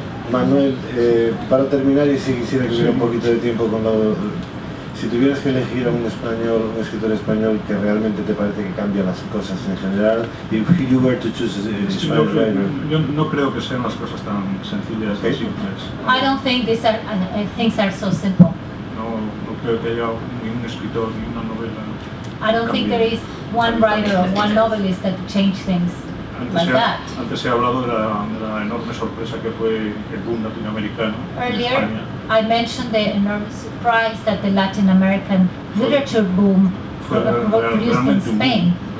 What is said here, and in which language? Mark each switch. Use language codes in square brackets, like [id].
[es] Manuel, para terminar y si quisiera que hubiera un poquito de tiempo con lo, si tuvieras que elegir a un español, un escritor español que realmente te parece que cambia las cosas en general, [en] if you were to choose a Spanish writer. [es] Yo no creo que sean las cosas tan sencillas y simples. [en] I don't think these are things are so simple. [es] No creo que haya ningún escritor ni una novela. [en] I don't think there is one writer or one novelist that change things. [es] Antes he hablado de la enorme sorpresa que fue el boom latinoamericano en España. [en] I mentioned the enormous surprise that the Latin American literature boom produced in Spain.